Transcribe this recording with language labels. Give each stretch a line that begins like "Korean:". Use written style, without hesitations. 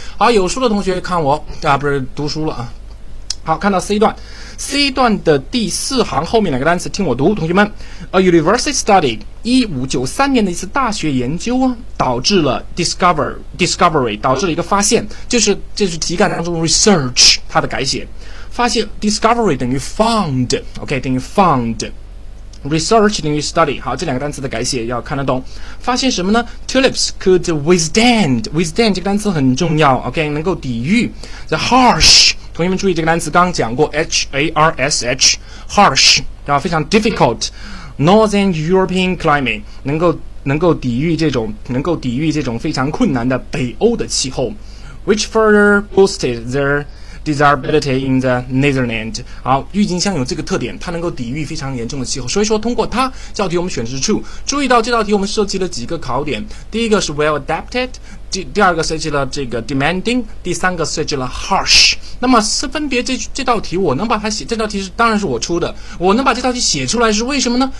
Chinese: 好，有书的同学看我啊，不是读书了啊。好，看到 C 段的第四行后面两个单词，听我读，同学们 ，
English: a university study
Chinese: 1593年的一次大学研究啊，导致了 discovery 导致了一个发现，就是题干当中 research 它的改写。发现 discovery 等于 found， OK 等于 found， research 等于 study， 好，这两个单词的改写要看得懂。发现什么呢？
English: tulips could withstand， withstand
Chinese: 这个单词很重要，
English: OK
Chinese: 能够抵御
English: the harsh，
Chinese: 同学们注意这个单词刚讲过
English: H-A-R-S-H harsh， 非常 difficult northern European climate，
Chinese: 能够抵御这种非常困难的北欧的气候，
English: which further boosted their desirability in the Netherlands。
Chinese: 好，郁金香有这个特点，它能够抵御非常严重的气候，所以说通过它这道题我们选之处。注意到这道题我们设计了几个考点，第一个是
English: well adapted，
Chinese: 第二个设计了这个 demanding， 第三个设计了 harsh。那么是分别 这道题我能把它写，这道题是当然是我出的，我能把这道题写出来是为什么呢？